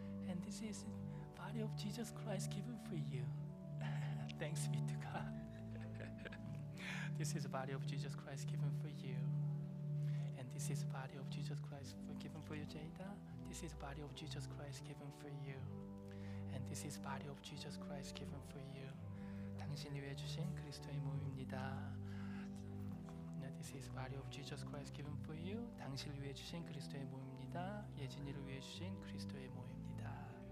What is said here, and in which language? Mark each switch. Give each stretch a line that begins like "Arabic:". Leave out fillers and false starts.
English: And this is body of Jesus Christ given for you. Thanks be to God. This is body of Jesus Christ given for you. And this is body of Jesus Christ given for you, Jada. This is body of Jesus Christ given for you. And this is body of Jesus Christ given for you.
Korean: 당신을 위해 주신 그리스도의 몸입니다.
English: This is body of Jesus Christ given for you.
Korean: 당신을 위해 주신 그리스도의 몸입니다. 예진이를 위해 주신 그리스도의 몸입니다.